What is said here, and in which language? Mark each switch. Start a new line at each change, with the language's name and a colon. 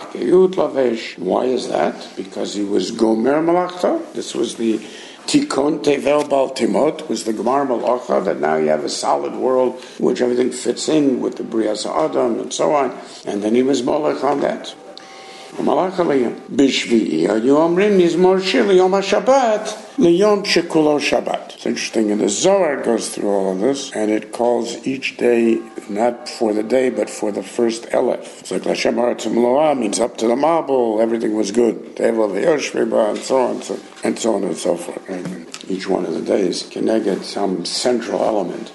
English: Why is that? Because he was gomer malachta. This was the tikon tevel bal timot, was the gomer malachta, that now you have a solid world which everything fits in with the Briyas Adam and so on. And then he was malach on that.
Hebrew: המלאך עליהם. בשביעי היו אומרים, מזמור שיר ליום השבת, ליום שכולו שבת.
English: It's interesting, and the Zohar goes through all of this, and it calls each day, not for the day, but for the first Aleph. It's like, L'Hashem Ha'aretz Melo'ah means up to the marble, everything was good. Tevel V'yoshveba, and so on and so forth. And each one of the days, Keneged, some central element.